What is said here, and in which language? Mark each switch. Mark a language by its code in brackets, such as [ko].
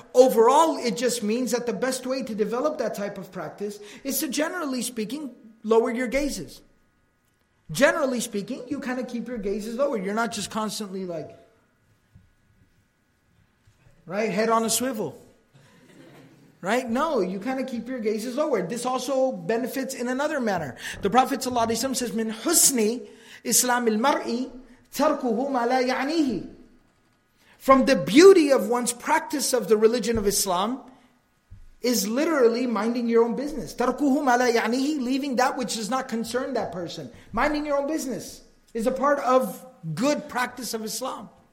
[en] Overall, it just means that the best way to develop that type of practice is to, generally speaking, lower your gazes. Generally speaking, you kind of keep your gazes lower. You're not just constantly like, right, head on a swivel. Right? No, you kind of keep your gazes lower. This also benefits in another manner. The Prophet ﷺ says, [ar] مِنْ حُسْنِ إِسْلَامِ الْمَرْءِ تَرْكُهُ مَا لَا يَعْنِيهِ. [en] From the beauty of one's practice of the religion of Islam, is literally minding your own business. [ar] تَرْكُهُ مَا لَا يَعْنِيهِ, [en] leaving that which does not concern that person. Minding your own business is a part of good practice of Islam.